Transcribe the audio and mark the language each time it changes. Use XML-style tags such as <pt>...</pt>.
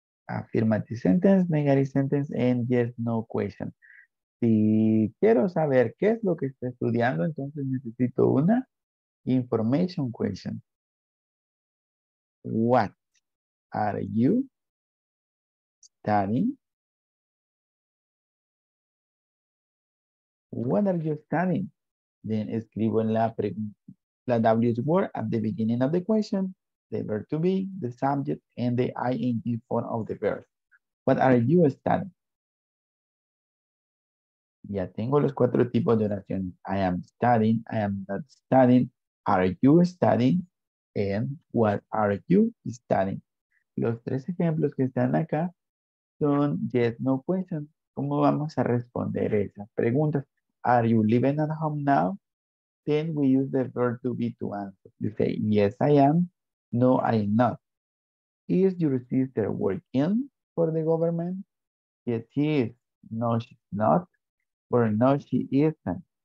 <en>Affirmative sentence, negative sentence, and yes, no question.</en> <es>Si quiero saber qué es lo que está estudiando, entonces necesito una</es> <en>information question. What are you studying? What are you studying? Then</en> <es>escribo en la pregunta, la</es> <en>W's word at the beginning of the question, the verb to be, the subject, and the ing form of the verb. What are you studying?</en> <es>Ya tengo los cuatro tipos de oraciones.</es> <en>I am studying, I am not studying, are you studying, and what are you studying?</en> <es>Los tres ejemplos que están acá son</es> <en>yes, no questions.</en> <es>¿Cómo vamos a responder esas preguntas?</es> <en>Are you living at home now? Then we use the verb to be to answer. You say, yes, I am. No, I am not. Is your sister working for the government? Yes, she is. No, she's not. Or no, she isn't.</en>